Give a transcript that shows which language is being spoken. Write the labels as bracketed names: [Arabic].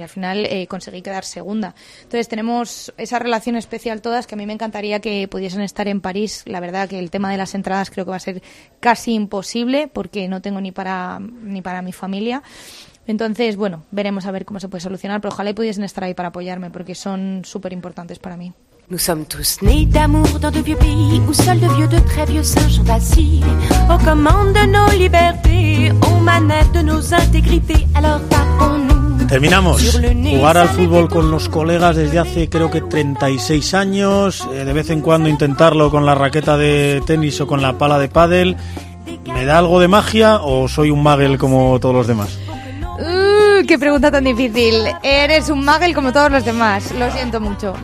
[Spanish] Y al final conseguí quedar segunda. Entonces tenemos esa relación especial todas, que a mí me encantaría que pudiesen estar en París. La verdad que el tema de las entradas creo que va a ser casi imposible porque no tengo ni para mi familia. Entonces, bueno, veremos a ver cómo se puede solucionar, pero ojalá pudiesen estar ahí para apoyarme, porque son súper importantes para mí. [French] Nous sommes tous nés d'amour dans de vieux pays où seuls de vieux, de très vieux singes sont assis aux commandes de nos libertés, aux manettes de nos intégrités. Alors tapons-nous. [Spanish] Terminamos. Jugar al fútbol con los colegas desde hace creo que 36 años, de vez en cuando intentarlo con la raqueta de tenis o con la pala de pádel, ¿me da algo de magia o soy un muggle como todos los demás? ¡Qué pregunta tan difícil! Eres un muggle como todos los demás, lo siento mucho.